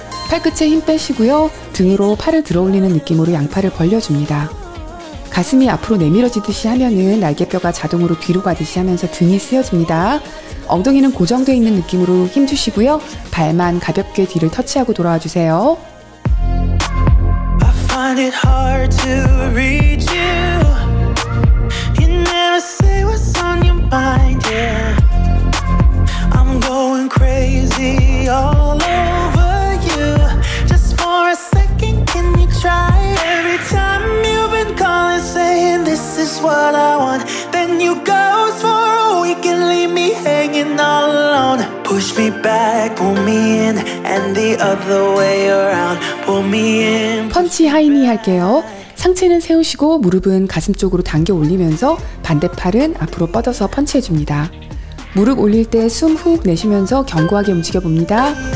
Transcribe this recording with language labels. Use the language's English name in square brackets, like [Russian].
[Korean] 팔끝에 힘 빼시고요. 등으로 팔을 들어올리는 느낌으로 양팔을 벌려줍니다. 가슴이 앞으로 내밀어지듯이 하면은 날개뼈가 자동으로 뒤로 가듯이 하면서 등이 쓰여집니다. 엉덩이는 고정되어 있는 느낌으로 힘 주시고요. 발만 가볍게 뒤를 터치하고 돌아와 주세요. [English] Find it hard to reach you. You never say what's on your mind, yeah. I'm going crazy all over you. Just for a second, can you try? Every time you've been calling, saying this is what I want. Then you ghost for a week and leave me hanging all alone. Push me back, pull me in, and the other way around. Pull me in. 펀치 하이니 [Korean] 할게요. 상체는 세우시고 무릎은 가슴 쪽으로 당겨 올리면서 반대 팔은 앞으로 뻗어서 펀치해 줍니다. 무릎 올릴 때 숨 훅 내쉬면서 견고하게 움직여 봅니다.